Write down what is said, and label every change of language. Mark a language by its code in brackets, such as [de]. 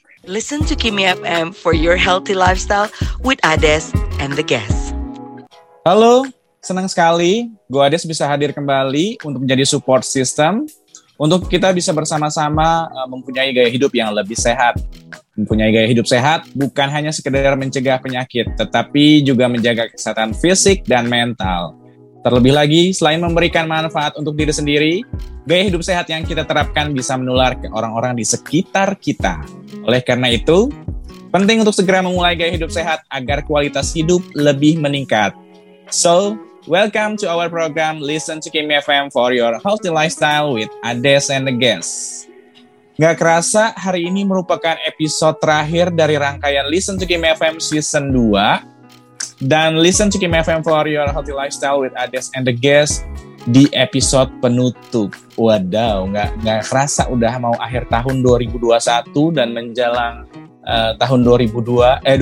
[en] Listen to Kimi FM for your healthy lifestyle with Ades and the guests. [id] Halo, senang sekali gue Ades bisa hadir kembali untuk menjadi support system untuk kita bisa bersama-sama mempunyai gaya hidup yang lebih sehat. Mempunyai gaya hidup sehat bukan hanya sekedar mencegah penyakit, tetapi juga menjaga kesehatan fisik dan mental. Terlebih lagi, selain memberikan manfaat untuk diri sendiri, gaya hidup sehat yang kita terapkan bisa menular ke orang-orang di sekitar kita. Oleh karena itu, penting untuk segera memulai gaya hidup sehat agar kualitas hidup lebih meningkat. [en] So, welcome to our program Listen to Kimi FM for your healthy lifestyle with Ades and the guests. [id] Gak kerasa hari ini merupakan episode terakhir dari rangkaian Listen to Kimi FM Season 2. Dan Listen to Kimi FM for your healthy lifestyle with Ades and the guests di episode penutup. Wadaw, gak kerasa udah mau akhir tahun 2021 dan menjelang tahun 2022.